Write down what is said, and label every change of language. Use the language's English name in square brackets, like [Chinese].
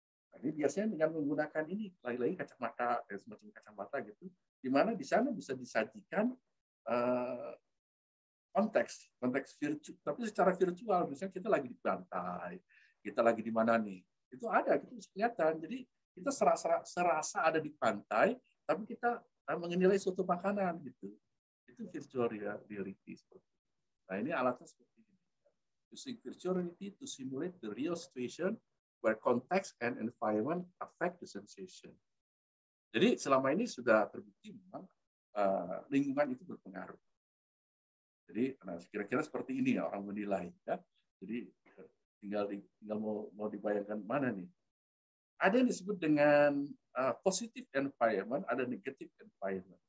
[Indonesian] Nah, ini biasanya dengan menggunakan ini lain-lain kacamata dan semacam kacamata gitu, di mana di sana bisa disajikan konteks virtual, tapi secara virtual. Misalnya kita lagi di pantai, kita lagi di mana nih, itu ada, itu bisa kelihatan. Jadi kita serasa ada di pantai tapi kita menilai suatu makanan gitu, itu virtual reality. Nah, ini alatnya seperti ini. [English] Using virtual reality to simulate the real situation where context and environment affect the sensation. [Indonesian] Jadi selama ini sudah terbukti memang lingkungan itu berpengaruh. Jadi nah, kira-kira seperti ini ya orang menilai ya. Jadi tinggal mau dibayangkan mana nih? Ada yang disebut dengan positive environment, ada negative environment.